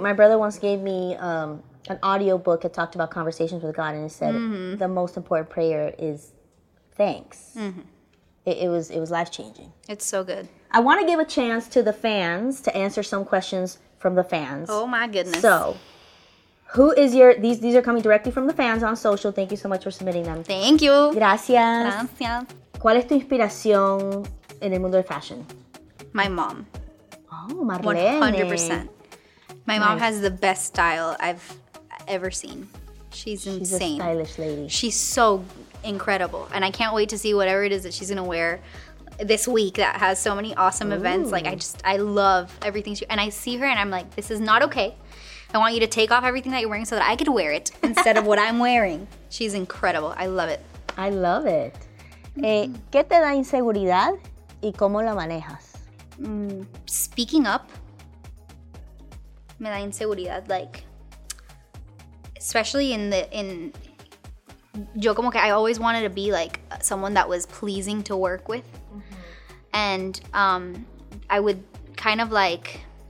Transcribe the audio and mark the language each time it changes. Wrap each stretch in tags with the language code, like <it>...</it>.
<en>My brother once gave me an audio book that talked about conversations with God, and it said the most important prayer is thanks. Mm-hmm. It was life-changing. It's so good. I want to give a chance to the fans to answer some questions from the fans. Oh, my goodness. So who is your – these are coming directly from the fans on social. Thank you so much for submitting them. Thank you.</en> <es>Gracias. Gracias. ¿Cuál es tu inspiración en el mundo de fashion?</es> <en>My mom. Oh, Marlene. 100%. My mom has the best style I've ever seen. She's insane. She's a stylish lady. She's so incredible. And I can't wait to see whatever it is that she's going to wear this week that has so many awesome events. Like, I love everything she... And I see her and I'm like, this is not okay. I want you to take off everything that you're wearing so that I could wear it instead of what I'm wearing. She's incredible. I love it. I love it.</en> <es>¿Qué te da inseguridad y cómo la manejas?</es> <en>Speaking up,</en> <es>me da inseguridad,</es> <en>like, especially</en> <es>yo como que</es> <en>I always wanted to be like someone that was pleasing to work with, and I would kind of like</en>